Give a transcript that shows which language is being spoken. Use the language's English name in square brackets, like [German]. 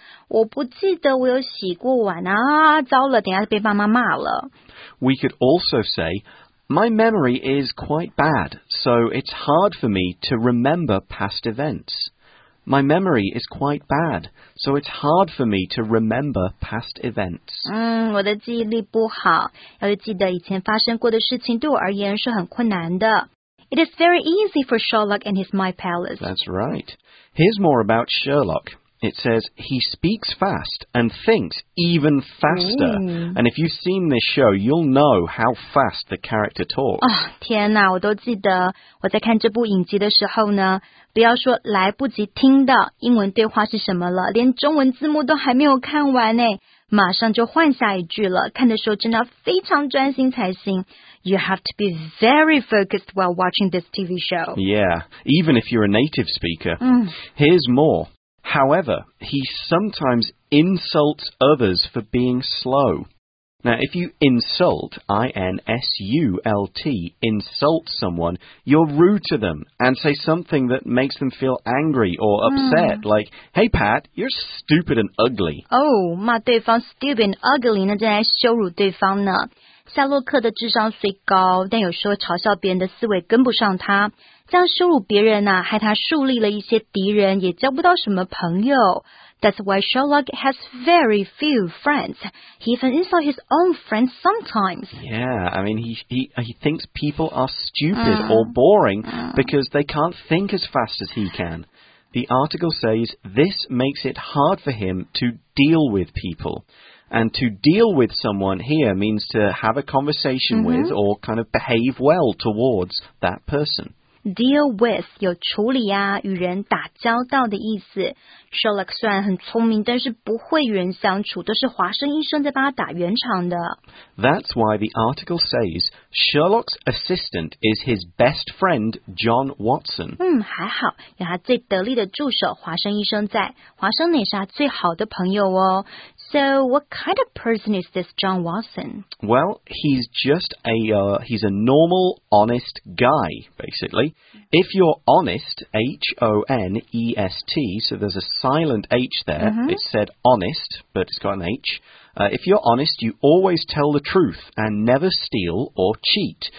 [Chinese] 我不记得我有洗过碗啊，糟了，等一下被爸妈骂了。 [English] We could also say, my memory is quite bad, so it's hard for me to remember past events. My memory is quite bad, so it's hard for me to remember past events. [Chinese] 我的记忆力不好，要是记得以前发生过的事情，对我而言是很困难的。 [English] It is very easy for Sherlock and his mind palace. That's right. Here's more about Sherlock. It says he speaks fast and thinks even faster. Mm. And if you've seen this show, you'll know how fast the character talks. [Chinese] Oh, 天哪，我都记得我在看这部影集的时候呢，不要说来不及听到英文对话是什么了，连中文字幕都还没有看完呢。马上就换下一句了，看的时候真的非常专心才行。 [English] You have to be very focused while watching this TV show. Yeah, even if you're a native speaker. Mm. Here's more. However, he sometimes insults others for being slow. Now, if you insult, I-N-S-U-L-T, insult someone, you're rude to them and say something that makes them feel angry or upset, like, hey, Pat, you're stupid and ugly. [Chinese] Oh, 骂对方 [English] stupid and ugly, [Chinese] 那真的还羞辱对方呢。夏洛克的智商虽高，但有时候嘲笑别人的思维跟不上他，这样羞辱别人啊，害他树立了一些敌人，也交不到什么朋友。 [English] That's why Sherlock has very few friends. He even insults his own friends sometimes. Yeah, I mean, he thinks people are stupid or boring because they can't think as fast as he can. The article says this makes it hard for him to deal with people. And to deal with someone here means to have a conversation with or kind of behave well towards that person. [Chinese] Deal with 有处理啊，与人打交道的意思。 Sherlock 虽然很聪明，但是不会与人相处，都是华生医生在帮他打圆场的。 [English] That's why the article says Sherlock's assistant is his best friend John Watson. [Chinese] 还好有他最得力的助手华生医生在，华生也是他最好的朋友哦。 [English] So what kind of person is this John Watson? Well, he's just he's a normal, honest guy, basically. If you're honest, H-O-N-E-S-T, so there's a silent H there. Mm-hmm. It's said honest, but it's got an H. If you're honest, you always tell the truth and never steal or cheat.